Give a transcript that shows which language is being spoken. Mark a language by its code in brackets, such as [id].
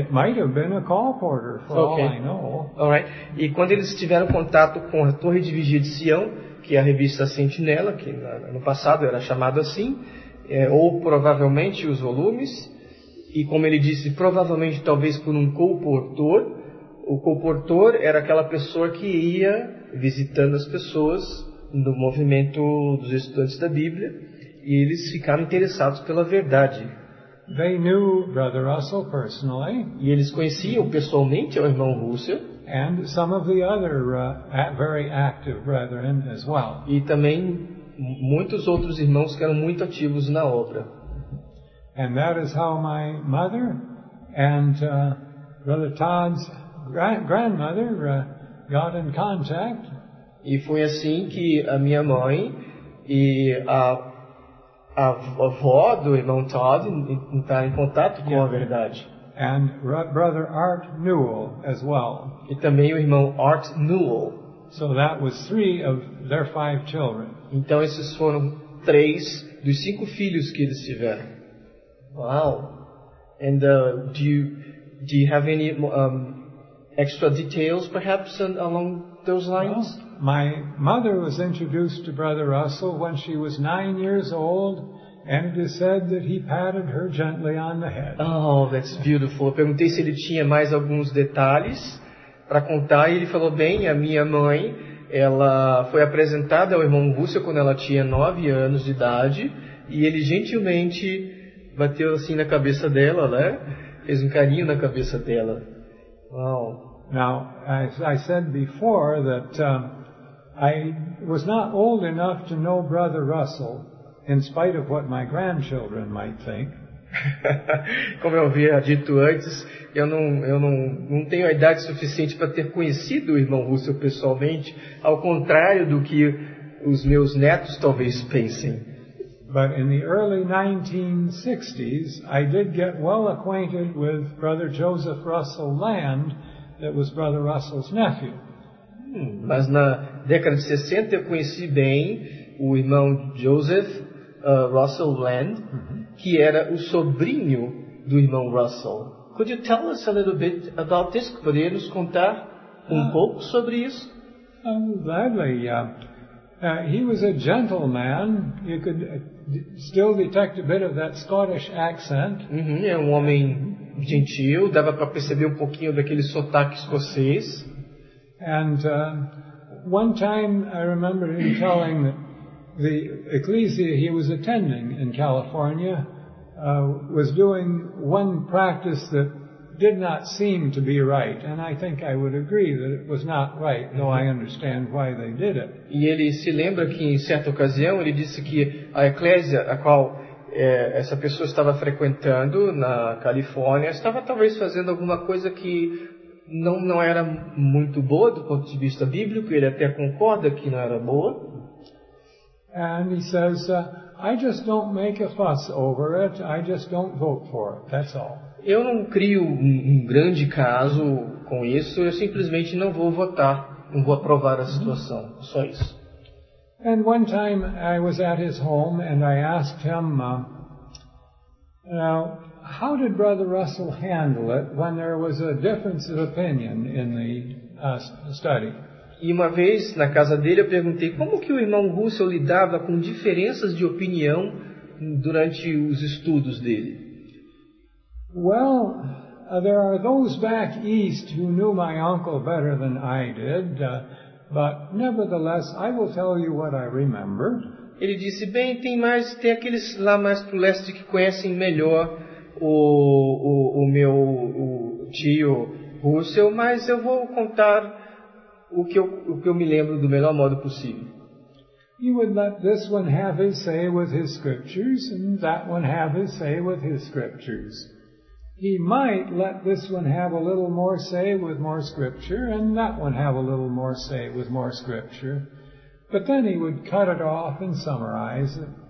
[en] It might have been a call porter, for all I know. All right. [pt] E quando eles tiveram contato com a Torre de Vigia de Sião, que é a revista Sentinela, que no passado era chamada assim, ou provavelmente os volumes, e como ele disse, provavelmente talvez por um colportor. O colportor era aquela pessoa que ia visitando as pessoas no movimento dos estudantes da Bíblia, e eles ficaram interessados pela verdade. [en] They knew Brother Russell personally. [pt] E eles conheciam pessoalmente o irmão Russell. [en] And some of the other very active brethren as well. [pt] E também muitos outros irmãos que eram muito ativos na obra. [en] And that is how my mother and Brother Todd's grandmother got in contact. [pt] E foi assim que a minha mãe e a avó do irmão Todd entraram em contato com a verdade. [en] And Brother Art Newell as well. [pt] E também o irmão Art Newell. [en] So that was three of their five children. [pt] Então esses foram três dos cinco filhos que eles tiveram. [en] Wow. And do you have any extra details perhaps along those lines? Well, my mother was introduced to Brother Russell when she was 9 years old, and it is said that he patted her gently on the head. Oh, that's beautiful. [pt] Eu perguntei se ele tinha mais alguns detalhes para contar, e ele falou, bem, a minha mãe, ela foi apresentada ao irmão Russell quando ela tinha 9 anos de idade, e ele gentilmente bateu assim na cabeça dela, né? Fez um carinho na cabeça dela. Wow. [en] Now, as I said before, that I was not old enough to know Brother Russell, in spite of what my grandchildren might think. [pt] Como eu havia dito antes, eu não tenho a idade suficiente para ter conhecido o irmão Russell pessoalmente, ao contrário do que os meus netos talvez pensem. [en] But in the early 1960s, I did get well acquainted with Brother Joseph Russell Land, that was Brother Russell's nephew. [pt] Mas na década de 60 eu conheci bem o irmão Joseph Russell Land, que era o sobrinho do irmão Russell. [en] Could you tell us a little bit about this? [pt] Poderia nos contar um pouco sobre isso? [en] Oh, gladly, yeah. He was a gentleman. You could still detect a bit of that Scottish accent. [pt] É um homem gentil, dava para perceber um pouquinho daquele sotaque escocês. [en] And one time I remember him telling the ecclesia he was attending in California was doing one practice that did not seem to be right, and I think I would agree that it was not right, though I understand why they did it. [pt] E ele se lembra que em certa ocasião ele disse que a eclésia a qual essa pessoa estava frequentando na Califórnia estava talvez fazendo alguma coisa que não era muito boa do ponto de vista bíblico. Ele até concorda que não era boa. [en] And he says, I just don't make a fuss over it. I just don't vote for it. That's all. [pt] Eu não crio um grande caso com isso, eu simplesmente não vou votar, não vou aprovar a situação, só isso. [en] And one time I was at his home and I asked him, now, how did Brother Russell handle it when there was a difference of opinion in the study? [pt] E uma vez na casa dele eu perguntei como que o irmão Russell lidava com diferenças de opinião durante os estudos dele. [en] Well, There are those back east who knew my uncle better than I did, but nevertheless, I will tell you what I remember. [pt] Ele disse, bem, tem aqueles lá mais pro leste que conhecem melhor o meu o tio Russell, mas eu vou contar o que eu me lembro do melhor modo possível. [en] He would let this one have his say with his scriptures, and that one have his say with his scriptures. He might let this one have a little more say with more scripture, and that one have a little more say with more scripture. But then he would cut it off and summarize it.